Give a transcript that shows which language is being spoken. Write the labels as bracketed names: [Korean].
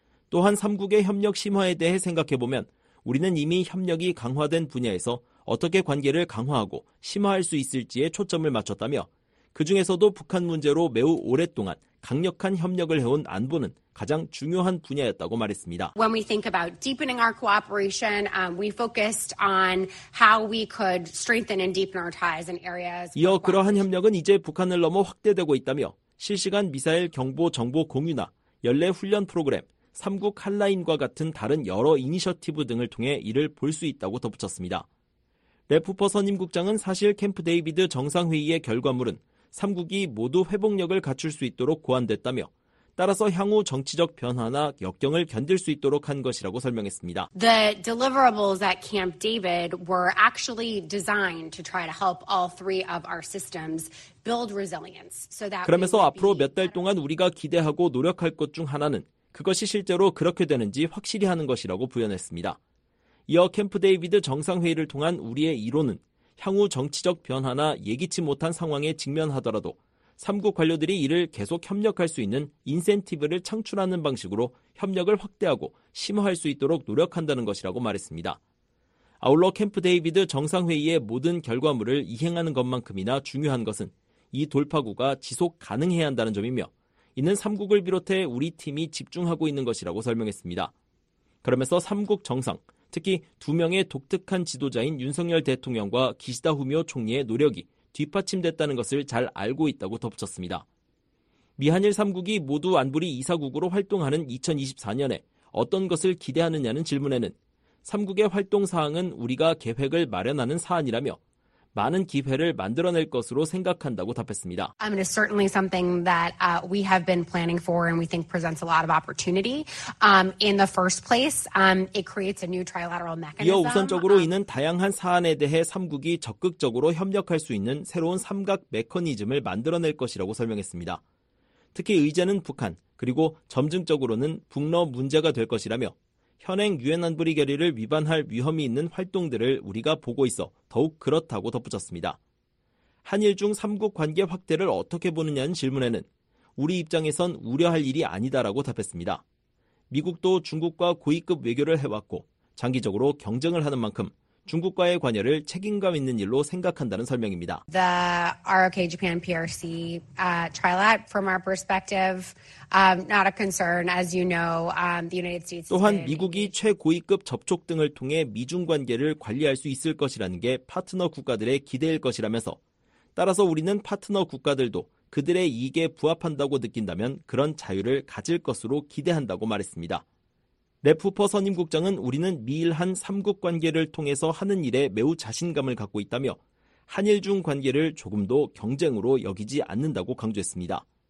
[Korean] 또한 3국의 협력 심화에 대해 생각해보면 우리는 이미 협력이 강화된 분야에서 어떻게 관계를 강화하고 심화할 수 있을지에 초점을 맞췄다며 그 중에서도 북한 문제로 매우 오랫동안 강력한 협력을 해온 안보는 가장 중요한 분야였다고 말했습니다. [English] When we think about deepening our cooperation, we focused on how we could strengthen and deepen our ties in areas. [Korean] 이어 그러한 협력은 이제 북한을 넘어 확대되고 있다며 실시간 미사일 경보 정보 공유나 연례 훈련 프로그램, 3국 한라인과 같은 다른 여러 이니셔티브 등을 통해 이를 볼 수 있다고 덧붙였습니다. 레프퍼 선임국장은 사실 캠프 데이비드 정상회의의 결과물은 3국이 모두 회복력을 갖출 수 있도록 고안됐다며 따라서 향후 정치적 변화나 역경을 견딜 수 있도록 한 것이라고 설명했습니다. [English] The deliverables at Camp David were actually designed to try to help all three of our systems build resilience. [Korean] 그러면서 앞으로 몇 달 동안 우리가 기대하고 노력할 것 중 하나는 그것이 실제로 그렇게 되는지 확실히 하는 것이라고 부연했습니다. 이어 캠프 데이비드 정상회의를 통한 우리의 이론은 향후 정치적 변화나 예기치 못한 상황에 직면하더라도 3국 관료들이 이를 계속 협력할 수 있는 인센티브를 창출하는 방식으로 협력을 확대하고 심화할 수 있도록 노력한다는 것이라고 말했습니다. 아울러 캠프 데이비드 정상회의의 모든 결과물을 이행하는 것만큼이나 중요한 것은 이 돌파구가 지속 가능해야 한다는 점이며 이는 3국을 비롯해 우리 팀이 집중하고 있는 것이라고 설명했습니다. 그러면서 3국 정상, 특히 두 명의 독특한 지도자인 윤석열 대통령과 기시다 후미오 총리의 노력이 뒷받침됐다는 것을 잘 알고 있다고 덧붙였습니다. 미한일 3국이 모두 안보리 이사국으로 활동하는 2024년에 어떤 것을 기대하느냐는 질문에는 3국의 활동 사항은 우리가 계획을 마련하는 사안이라며 많은 기회를 만들어낼 것으로 생각한다고 답했습니다. [English] It is certainly something that we have been planning for and we think presents a lot of opportunity. In the first place, it creates a new trilateral mechanism. [Korean] 이어 우선적으로 이는 다양한 사안에 대해 3국이 적극적으로 협력할 수 있는 새로운 삼각 메커니즘을 만들어낼 것이라고 설명했습니다. 특히 의제는 북한, 그리고 점증적으로는 북러 문제가 될 것이라며 현행 유엔 안보리 결의를 위반할 위험이 있는 활동들을 우리가 보고 있어 더욱 그렇다고 덧붙였습니다. 한일 중 3국 관계 확대를 어떻게 보느냐는 질문에는 우리 입장에선 우려할 일이 아니다라고 답했습니다. 미국도 중국과 고위급 외교를 해왔고 장기적으로 경쟁을 하는 만큼 중국과의 관여를 책임감 있는 일로 생각한다는 설명입니다. [English] The ROK Japan PRC trilat from our perspective not a concern as you know the United States [Korean] 또한 미국이 최고위급 접촉 등을 통해 미중 관계를 관리할 수 있을 것이라는 게 파트너 국가들의 기대일 것이라면서 따라서 우리는 파트너 국가들도 그들의 이익에 부합한다고 느낀다면 그런 자유를 가질 것으로 기대한다고 말했습니다. 레프퍼 선임 국장은 우리는 미일한 3국 관계를 통해서 하는 일에 매우 자신감을 갖고 있다며 한일 중 관계를 조금도 경쟁으로 여기지 않는다고 강조했습니다.